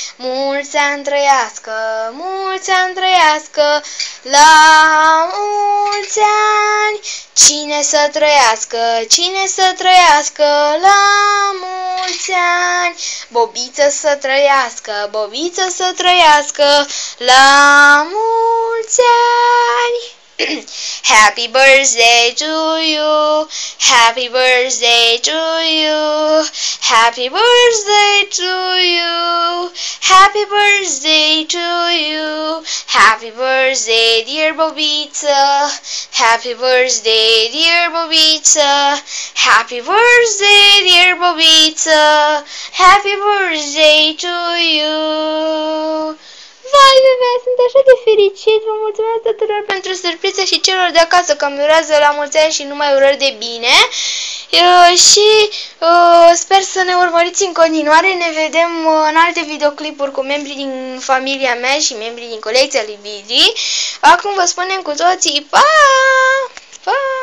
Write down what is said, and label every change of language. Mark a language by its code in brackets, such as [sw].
[ro] Mulți ani trăiască, mulți ani trăiască, la mulți ani! Cine să trăiască, cine să trăiască, la mulți ani! Bobiță să trăiască, bobiță să trăiască, la mulți ani! [en] Happy birthday to you, happy birthday to you, happy birthday to you, happy birthday to you, happy birthday dear Bobita, happy birthday dear Bobita, happy birthday dear Bobita, happy birthday to you. [ro] Vai, bebe, sunt așa de fericit. Vă mulțumesc tuturor pentru surpriză și celor de acasă că îmi urează la mulți ani și numai urări de bine. Și sper să ne urmăriți în continuare. Ne vedem în alte videoclipuri cu membrii din familia mea și membrii din colecția lui Bidi. Acum vă spunem cu toții, pa! Pa!